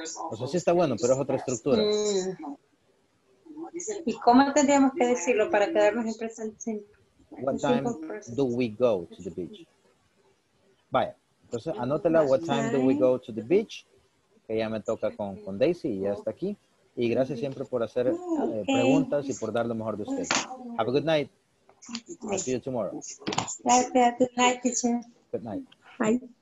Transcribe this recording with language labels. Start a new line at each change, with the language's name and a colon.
Spanish: O sea, sí está bueno, pero es otra estructura. Mm. ¿Y cómo tendríamos que decirlo para quedarnos en presente?
English: What time do we go to the beach?
Spanish: Vaya, entonces anótela,
English: what time do we go to the beach?
Spanish: Que ya me toca con Daisy y ya está aquí. Y gracias siempre por hacer preguntas y por dar lo mejor de usted.
English: Have a good night. I'll see you tomorrow. Good night, teacher. Good night. Hi.